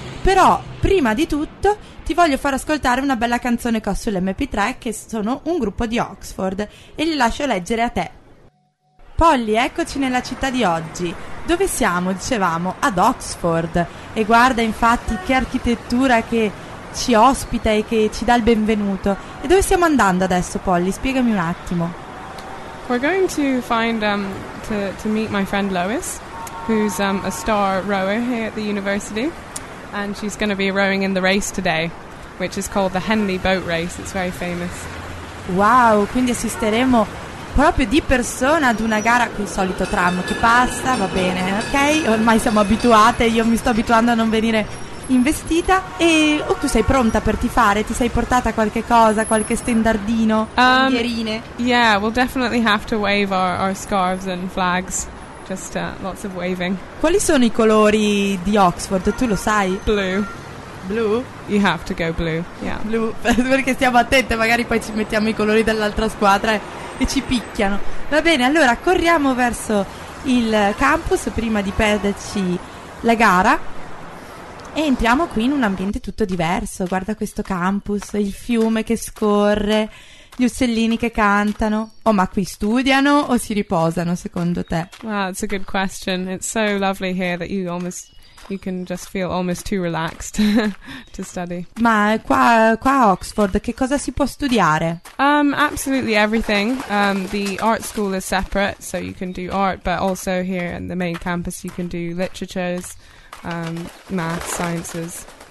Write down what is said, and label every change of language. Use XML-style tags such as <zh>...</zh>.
<it>Però prima di tutto ti voglio far ascoltare una bella canzone che ho sull'MP3, che sono un gruppo di Oxford, e li lascio leggere a te. Polly, eccoci nella città di oggi. Dove siamo? Dicevamo, ad Oxford. E guarda infatti che architettura che ci ospita e che ci dà il benvenuto. E dove stiamo andando adesso, Polly? Spiegami un attimo.</it> <en>We're going to find to meet my friend Lois, who's a star rower here at the university, and she's going to be rowing in the race today, which is called the Henley Boat Race. It's very famous.</en> <it>Wow, quindi assisteremo proprio di persona ad una gara con il solito tram che passa, va bene, ok? Ormai siamo abituate, io mi sto abituando a non venire investita. E tu sei pronta per tifare? Ti sei portata qualche cosa, qualche stendardino, bandierine?</it> <en>Yeah, we'll definitely have to wave our scarves and flags. Just lots of waving.</en> <it>Quali sono i colori di Oxford? Tu lo sai?</it> <en>Blue. Blue? You have to go blue, yeah.</en> <it>Blue, perché stiamo attente, magari poi ci mettiamo i colori dell'altra squadra e ci picchiano. Va bene, allora corriamo verso il campus prima di perderci la gara. E entriamo qui in un ambiente tutto diverso. Guarda questo campus, il fiume che scorre, gli uccellini che cantano. Oh, ma qui studiano o si riposano secondo te?</it> <en>Wow, it's a good question. It's so lovely here that you can just feel almost too relaxed to study.</en> <it>Ma qua a Oxford che cosa si può studiare?</it> <en>Absolutely everything. The art school is separate, so you can do art, but also here in the main campus you can do literatures, math, sciences.</en>